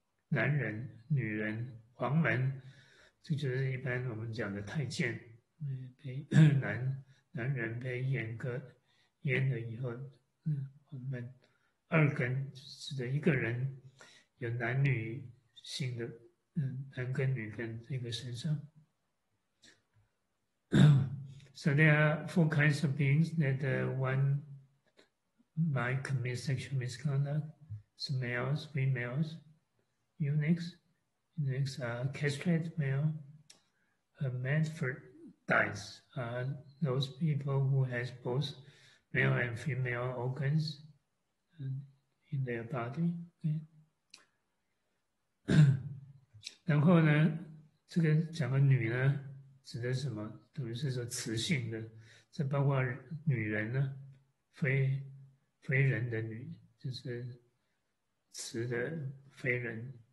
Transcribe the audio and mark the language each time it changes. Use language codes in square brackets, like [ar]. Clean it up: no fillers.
[zh] 男人、女人、黄门，这就是一般我们讲的太监，被男人被阉割阉了以后，黄门。二根指的一个人有男女性的，男根女根这个身上。 [en] So there are four kinds of beings that one might commit sexual misconduct: some males, females. Eunuchs are castrated male. Hermaphrodites are those people who has both male and female organs in their body. Okay. [zh] 然后呢，这个讲的女呢，指的是什么？等于是说雌性的，这包括女人呢，非人的女，就是雌的非人。